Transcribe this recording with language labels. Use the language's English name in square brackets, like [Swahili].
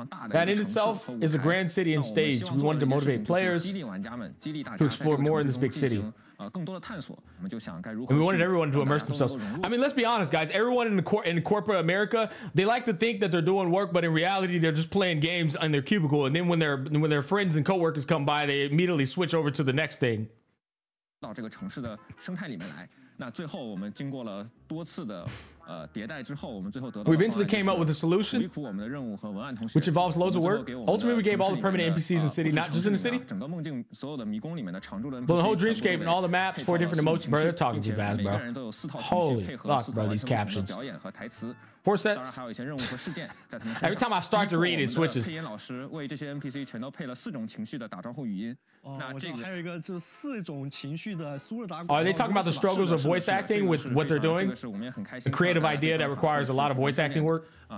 [English] That in itself is a grand city and stage. We wanted to motivate players to explore more in this big city. And we wanted everyone to immerse themselves. I mean, let's be honest, guys. Everyone in corporate America, they like to think that they're doing work, but in reality, they're just playing games in their cubicle. And then when their friends and coworkers come by, they immediately switch over to the next thing. [Chinese] 到这个城市的生态里面来。那最后我们经过了多次的迭代之后，我们最后得到。 [English] We eventually came up with a solution, which involves loads of work. Ultimately, we gave all the permanent NPCs in the city, not just in the city, but the whole dreamscape and all the maps, four different emotions. Bro, they're talking too fast, bro. Holy fuck, bro, these captions. Four sets. Every time I start to read, it switches. [Chinese] 配音老师为这些 NPC 全都配了四种情绪的打招呼语音。 [English] Are they talking about the struggles of voice acting with what they're doing? A creative idea that requires a lot of voice acting work?